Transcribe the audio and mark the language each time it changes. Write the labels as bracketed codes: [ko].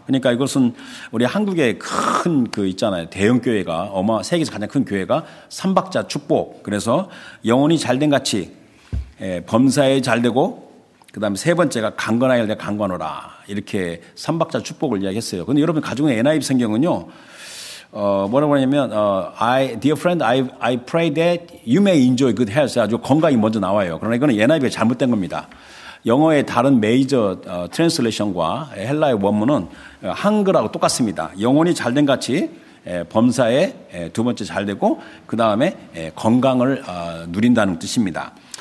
[ko] 그러니까 이것은 우리 한국의 큰 그 있잖아요. 대형교회가 세계에서 가장 큰 교회가 삼박자 축복. 그래서 영혼이 잘된 같이 범사에 잘되고 그다음에 세 번째가 강건하기를 내가 간구하노라. 이렇게 삼박자 축복을 이야기했어요. 그런데 여러분 가정의 NIV 성경은요. 뭐라고 하냐면 [en] dear friend, I pray that you may enjoy good health. [ko] 아주 건강이 먼저 나와요. 그러나 이거는 NIV가 잘못된 겁니다. 영어의 다른 메이저 트랜슬레이션과 헬라의 원문은 한글하고 똑같습니다. 영혼이 잘된 같이 범사에 두 번째 잘 되고 그 다음에 건강을 누린다는 뜻입니다.